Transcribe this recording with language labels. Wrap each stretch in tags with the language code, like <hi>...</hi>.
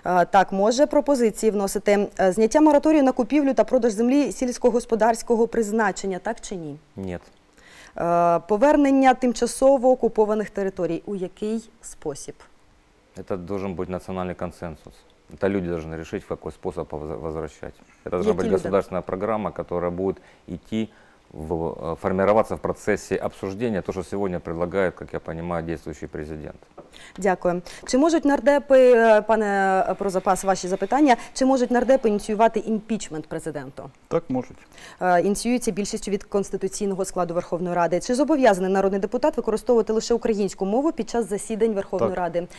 <uk>Так, може пропозиції вносити. Зняття мораторію на купівлю та продаж землі сільськогосподарського призначення, так чи ні? Ні. Повернення тимчасово окупованих територій. У який спосіб? Це має бути національний консенсус.</uk> <ru>Та люди должны решить, в какой способ возвращать. Это должна быть государственная программа, которая будет идти, формироваться в процессе обсуждения, то, что сегодня предлагает, как я понимаю, действующий президент.</ru> <uk>Дякую. Чи можуть нардепи, пане Прозапас, ваші запитання, чи можуть нардепи ініціювати імпічмент президенту? Так, можуть. Ініціюється більшістю від конституційного складу Верховної Ради. Чи зобов'язаний народний депутат використовувати лише українську мову під час засідань Верховної Ради?</uk>